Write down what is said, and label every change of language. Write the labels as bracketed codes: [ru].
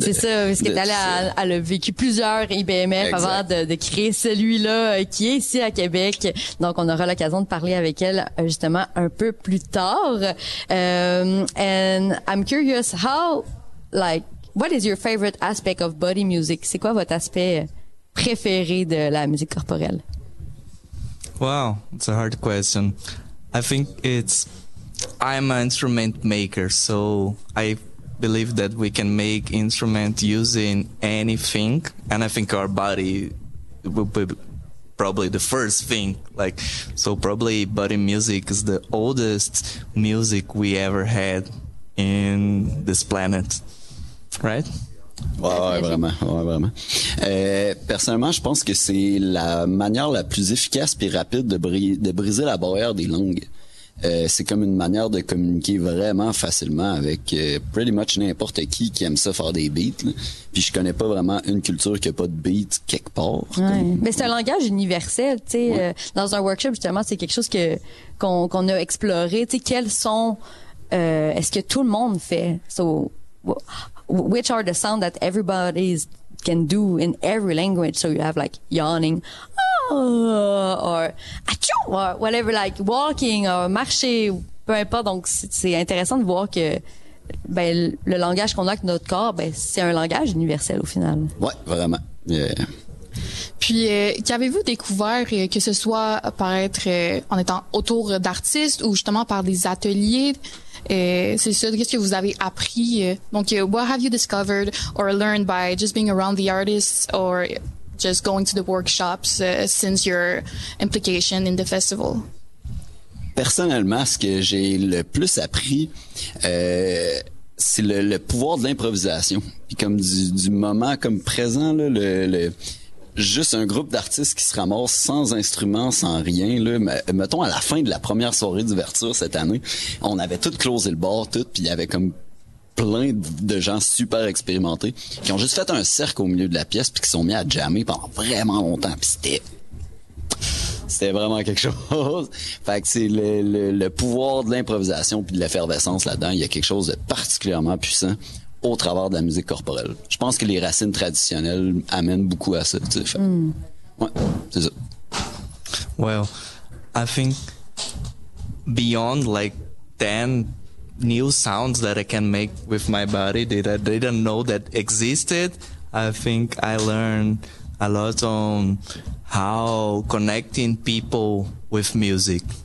[fr] c'est ça, parce que tu as vécu plusieurs IBMF exact. Avant de créer celui-là qui est ici à Québec. Donc, on aura l'occasion de parler avec elle, justement, un peu plus tard. [en] And I'm curious how, like, what is your favorite aspect of body music? [fr] C'est quoi votre aspect préféré de la musique corporelle? [en] Wow, it's a hard question. I think it's, I'm an instrument maker, so I believe that we can make instruments using anything, and I think our body will be probably the first thing. Like, so probably body music is the oldest music we ever had in this planet. Right? [fr] Ouais, vraiment. Personnellement, je pense que c'est la manière la plus efficace puis rapide de briser la barrière des langues. C'est comme une manière de communiquer vraiment facilement avec [en] pretty much [fr] n'importe qui aime ça faire des beats, là. Puis je connais pas vraiment une culture qui a pas de beat quelque part. Ouais. Mais c'est un langage universel, tu sais. Ouais. Dans un workshop, justement, c'est quelque chose qu'on a exploré. Tu sais, quels sont... est-ce que tout le monde fait? [en] So, which are the sounds that everybody can do in every language? So you have like yawning, or achou, or whatever, like walking or [fr] marcher, peu importe. Donc c'est intéressant de voir que ben le langage qu'on a avec notre corps, ben c'est un langage universel au final. Ouais, vraiment. Yeah. Puis, qu'avez-vous découvert, que ce soit par être en étant autour d'artistes ou justement par des ateliers? C'est ça, qu'est-ce que vous avez appris? [en] Donc, what have you discovered or learned by just being around the artists or just going to the workshops since your implication in the festival? [fr] Personnellement, ce que j'ai le plus appris, c'est le pouvoir de l'improvisation. Puis comme du moment, comme présent, là, le juste un groupe d'artistes qui se ramasse sans instruments, sans rien, là. Mettons, à la fin de la première soirée d'ouverture cette année, on avait tout closé le bar, tout, puis il y avait comme plein de gens super expérimentés qui ont juste fait un cercle au milieu de la pièce puis qui sont mis à jammer pendant vraiment longtemps. Puis c'était vraiment quelque chose. Fait que c'est le pouvoir de l'improvisation puis de l'effervescence là-dedans. Il y a quelque chose de particulièrement puissant au travers de la musique corporelle. Je pense que les racines traditionnelles amènent beaucoup à ça. Ouais, c'est ça. [en] Well, I think beyond like 10 new sounds that I can make with my body that I didn't know that existed, I think I learned a lot on how connecting people with music.